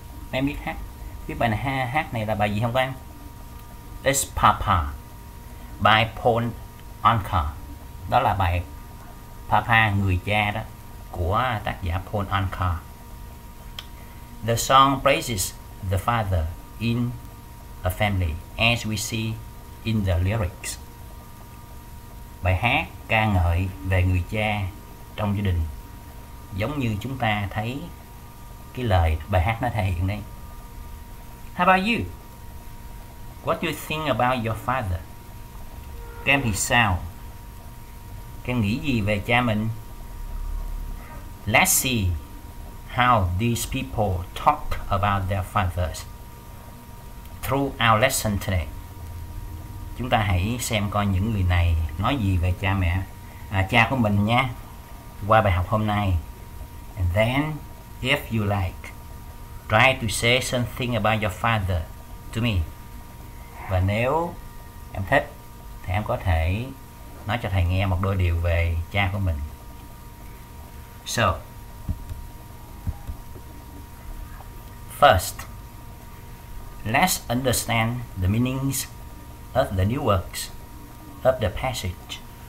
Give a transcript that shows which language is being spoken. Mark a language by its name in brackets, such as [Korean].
[Vietnamese] Em biết hát, biết bài này, hát này là bài gì không các em? [English] It's Papa by Paul Anka. [Vietnamese] Đó là bài Papa, người cha đó, của tác giả Paul Anka. [English] The song praises the father in a family, as we see in the lyrics. [Vietnamese] bài hát ca ngợi về người cha trong gia đình, giống như chúng ta thấy cái lời bài hát nó thể hiện đây. [English] How about you? What do you think about your father? [Vietnamese] Các em thì sao? Các em nghĩ gì về cha mình? [English] Let's see how these people talk about their fathers through our lesson today. [Vietnamese] Chúng ta hãy xem coi những người này nói gì về cha mẹ, cha của mình nha, qua bài học hôm nay. [English] And then, if you like, try to say something about your father to me. [Vietnamese] Và nếu em thích, thì em có thể nói cho thầy nghe một đôi điều về cha của mình. [English] So, first, let's understand the meanings of the new works of the passage.